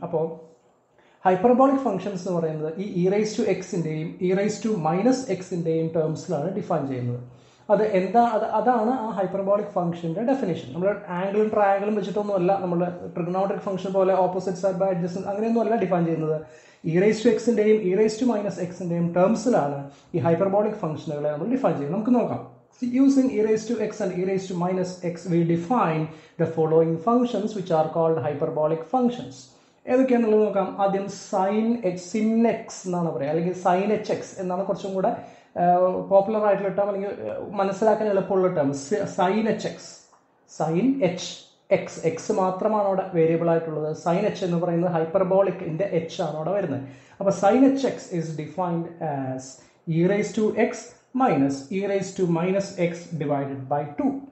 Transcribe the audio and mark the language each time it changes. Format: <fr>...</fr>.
<ml>അപ്പോൾ hyperbolic functions എന്ന് പറയുന്നത് ഈ E raise to എക്സിൻ്റെയും E raise to minus എക്സിൻ്റെയും ടേംസിലാണ് define ചെയ്യുന്നത്. അത് എന്താ അത് അതാണ് ആ ഹൈപ്പർബോളിക് ഫംഗ്ഷൻ്റെ ഡെഫിനേഷൻ. നമ്മൾ ആംഗിളും ട്രയാംഗിളും വെച്ചിട്ടൊന്നുമല്ല, നമ്മൾ ട്രിഗണോമെട്രിക് ഫംഗ്ഷൻ പോലെ ഓപ്പോസിറ്റ് സൈഡ് ബൈ അഡ്ജസ്റ്റ് അങ്ങനെയൊന്നുമല്ല ഡിഫൈൻ ചെയ്യുന്നത്. E raise to എക്സിൻ്റെയും E raise to minus എക്സിൻ്റെയും ടേംസിലാണ് ഈ ഹൈപ്പർബോളിക് ഫംഗ്ഷനുകളെ നമ്മൾ ഡിഫൈൻ ചെയ്യുന്നത്. നമുക്ക് നോക്കാം.</ml> <en>Using e raised to x and e raised to minus x, we define the following functions which are called hyperbolic functions.</en> <ml>ഏതൊക്കെയാണെന്നുള്ളത് നോക്കാം. ആദ്യം sign H, sin X എന്നാണ് പറയുക, അല്ലെങ്കിൽ സൈൻ എച്ച് എക്സ് എന്നാണ് കുറച്ചും കൂടെ പോപ്പുലർ ആയിട്ടുള്ള ടേം, അല്ലെങ്കിൽ മനസ്സിലാക്കാൻ എളുപ്പമുള്ള term. Sign H X, sign H X, X മാത്രമാണ് അവിടെ വേരിയബിൾ ആയിട്ടുള്ളത്.</ml> <en>Sine H എന്ന് പറയുന്നത് ഹൈപ്പർബോളിക്കിന്റെ എച്ച് ആണ് അവിടെ വരുന്നത്. അപ്പോൾ sine H X is defined as E raise to X minus E raise to minus X divided by two.</en>